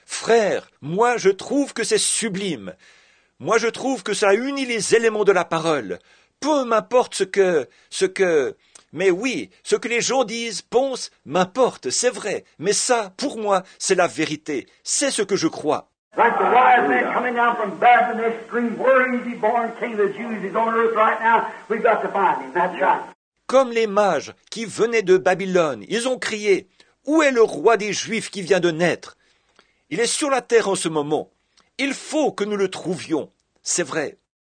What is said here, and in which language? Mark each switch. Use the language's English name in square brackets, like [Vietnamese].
[French] Frère, moi je trouve que c'est sublime. Moi je trouve que ça unit les éléments de la parole. Peu m'importe ce que... Mais oui, ce que les gens disent, pensent, m'importe, c'est vrai. Mais ça, pour moi, c'est la vérité. C'est ce que je crois. [English] Like the wise man coming down from Babylon, they scream, where is he born, king of the Jews? He's on earth right now. We've got to find him. That's right. [French] Comme les mages qui venaient de Babylone, ils ont crié, où est le roi des Juifs qui vient de naître? Il est sur la terre en ce moment. Il faut que nous le trouvions. C'est vrai.